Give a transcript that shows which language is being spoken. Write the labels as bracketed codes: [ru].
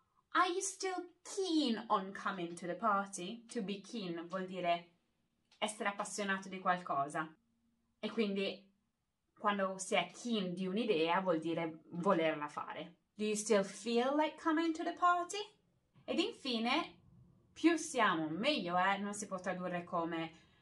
[en] Are you still keen on coming to the party? To be keen [it] vuol dire essere appassionato di qualcosa. E quindi quando si è keen di un'idea vuol dire volerla fare. [en] Do you still feel like coming to the party? [it] Ed infine, più siamo, meglio è, non si può tradurre come